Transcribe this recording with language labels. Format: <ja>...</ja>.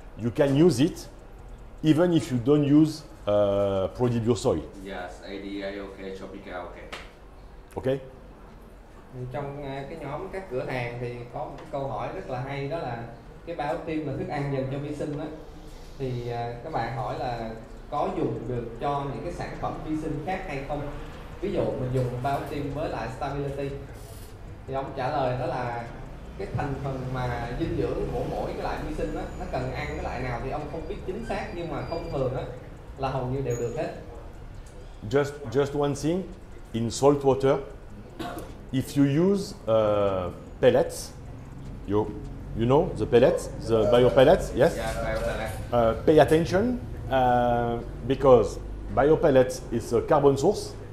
<en>You can use it even if you don't use Prodibio soil. Yes, ADA, okay, Tropica, okay. Okay.</en> <vi>Trong cái nhóm các cửa hàng thì có một cái câu hỏi rất là hay, đó là cái bioptim là thức ăn dành cho vi sinh đó. Thì các bạn hỏi là có dùng được cho những cái sản phẩm vi sinh khác hay không? Ví dụ mình dùng bioptim với lại Stability. Thì ông trả lời đó là cái thành phần mà dinh dưỡng của mỗi cái loại vi sinh á, nó cần ăn cái loại nào thì ông không biết chính xác, nhưng mà thông thường á là hầu như đều được hết.</vi> <en>Just one thing, in salt water, if you use pellets, you know the pellets, the bio pellets, yes. Yeah, pay attention because bio pellets is a carbon source.</en>